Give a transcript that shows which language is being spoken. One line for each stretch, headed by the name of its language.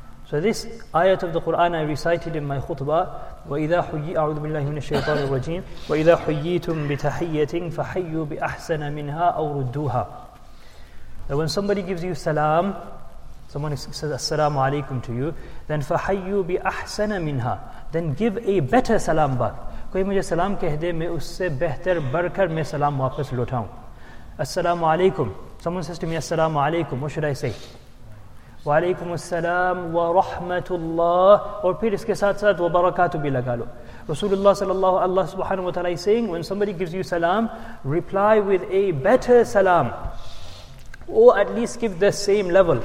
English: So this ayat of the Quran I recited in my khutbah,
Arabic: وَإِذَا حُيِّيْتُمْ أَعُوذُ بِاللَّهِ مِنَ الشَّيْطَانِ الرَّجِيمِ وَإِذَا حُيِّيْتُمْ بِتَحِيَّةٍ فَحَيُّوا بِأَحْسَنَ مِنْهَا أَوْ رُدُّوهَا.
English: That when somebody gives you salam, someone says assalamu alaikum to you, then
Arabic: فَحَيُّوا بِأَحْسَنَ مِنْهَا,
English: then give a better salam back.
Urdu: کوئی مجھے سلام کہہ دے, میں اس سے بہتر بڑھ کر میں سلام واپس لوٹاؤں.
Arabic: Assalamu alaikum.
English: Someone says to me assalamu alaikum, what should I say?
Arabic: Wa alaykum assalam wa rahmatullah,
English: or
Urdu: phir iske sath sath wa barakatuh bhi laga lo.
English: Rasulullah sallallahu Allah subhanahu wa ta'ala is saying, when somebody gives you salam, reply with a better salam, or at least give the same level.